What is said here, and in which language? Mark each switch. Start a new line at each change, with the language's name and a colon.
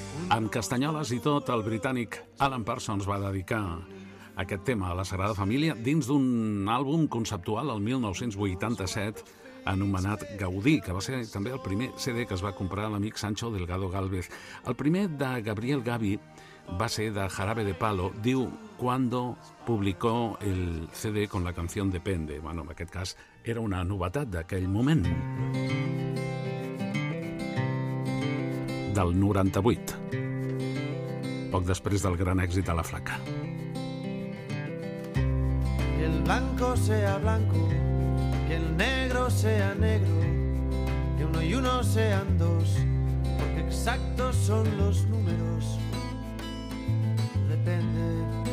Catalan: En Castanyoles i tot, el britànic Alan Parsons va dedicar aquest tema a la Sagrada Família dins d'un àlbum conceptual el 1987 anomenat Gaudí, que va ser també el primer CD que es va comprar l'amic Sancho Delgado Gálvez. El primer de Gabriel Gabi va ser de Jarabe de Palo, diu,
Spanish: cuando publicó el CD con la canción Depende.
Catalan: Bueno, en aquest cas era una novetat d'aquell moment. Del 98, poc després del gran èxit a La Flaca.
Spanish: Que el blanco sea blanco, que el negro sea negro, que uno y uno sean dos, porque exactos son los números. Depende.